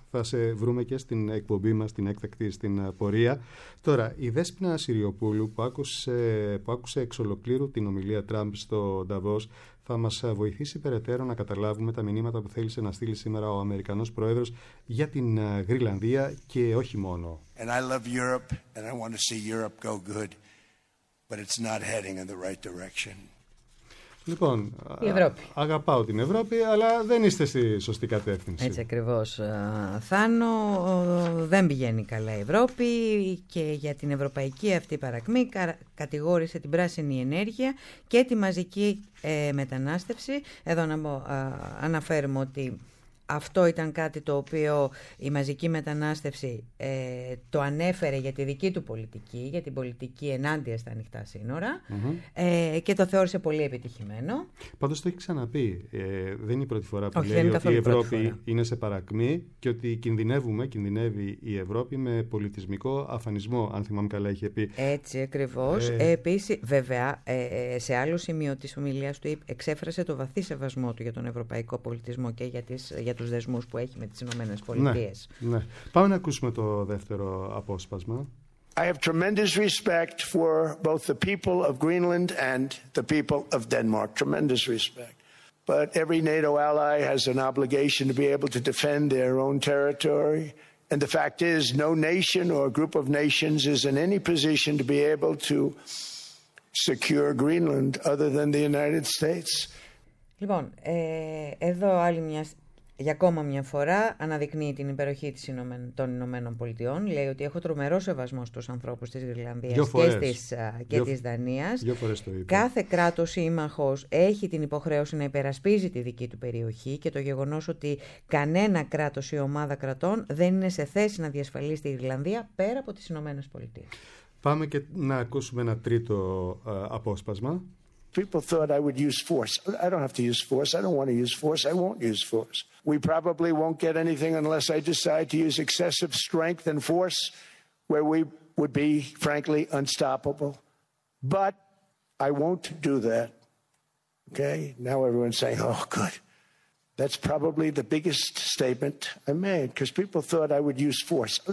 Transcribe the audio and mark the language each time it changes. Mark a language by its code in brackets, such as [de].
[el] Θα σε βρούμε και στην εκπομπή μας, την έκτακτη, στην πορεία. Τώρα, η Δέσποινα Συριοπούλου που άκουσε εξ ολοκλήρου την ομιλία Τραμπ στο Νταβός, θα μας βοηθήσει περαιτέρω να καταλάβουμε τα μηνύματα που θέλησε να στείλει σήμερα ο Αμερικανός Πρόεδρος για την Γροιλανδία και όχι μόνο. [en] And I love Europe and I want to see Europe go good, but it's not heading in the right direction. [el] Λοιπόν, αγαπάω την Ευρώπη, αλλά δεν είστε στη σωστή κατεύθυνση. Έτσι ακριβώς, Θάνο. Δεν πηγαίνει καλά η Ευρώπη και για την ευρωπαϊκή αυτή παρακμή κατηγόρησε την πράσινη ενέργεια και τη μαζική μετανάστευση. Εδώ να αναφέρουμε ότι αυτό ήταν κάτι το οποίο η μαζική μετανάστευση το ανέφερε για τη δική του πολιτική, για την πολιτική ενάντια στα ανοιχτά σύνορα, και το θεώρησε πολύ επιτυχημένο. Πάντως το έχει ξαναπεί. Δεν είναι η πρώτη φορά που λέει ότι η Ευρώπη είναι σε παρακμή και ότι κινδυνεύει η Ευρώπη με πολιτισμικό αφανισμό, αν θυμάμαι καλά είχε πει. Έτσι ακριβώς. Επίσης, βέβαια, σε άλλο σημείο της ομιλίας του, εξέφρασε το βαθύ σεβασμό του για τον ευρωπαϊκό πολιτισμό και για τους δεσμούς που έχει με τις Ηνωμένες Πολιτείες. Ναι, ναι. Πάμε να ακούσουμε το δεύτερο απόσπασμα. [en] I have tremendous respect for both the people of Greenland and the people of Denmark. Tremendous respect. But every NATO ally has an obligation to be able to defend their own territory. And the fact is, no nation or group of nations is in any position to be able to secure Greenland other than the United States. [el] Λοιπόν, εδώ άλλη μια... Για ακόμα μια φορά αναδεικνύει την υπεροχή των Ηνωμένων Πολιτειών. Λέει ότι έχω τρομερό σεβασμό στους ανθρώπους της Γροιλανδίας της Δανίας. Δύο φορές το είπα. Κάθε κράτος σύμμαχος έχει την υποχρέωση να υπερασπίζει τη δική του περιοχή και το γεγονός ότι κανένα κράτος ή ομάδα κρατών δεν είναι σε θέση να διασφαλίσει τη Γροιλανδία πέρα από τις Ηνωμένες Πολιτείες. Πάμε και να ακούσουμε ένα τρίτο απόσπασμα. [en] People thought I would use force. I don't have to use force. I don't want to use force. I won't use force. We probably won't get anything unless I decide to use excessive strength and force, where we would be, frankly, unstoppable. But I won't do that. Okay? Now everyone's saying, oh, good. That's probably the biggest statement I made, because people thought I would use force.